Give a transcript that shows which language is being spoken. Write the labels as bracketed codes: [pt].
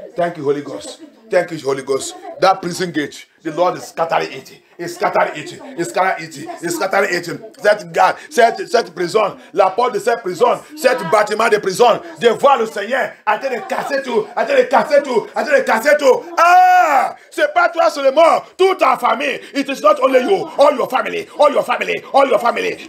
[en] That prison gate, the Lord is scattering it. [fr] Cette prison, la porte de cette prison, cet bâtiment de prison, de voir le Seigneur en train de casser tout. Ah! C'est pas toi seulement, toute ta famille. [en] It is not only you, all your family.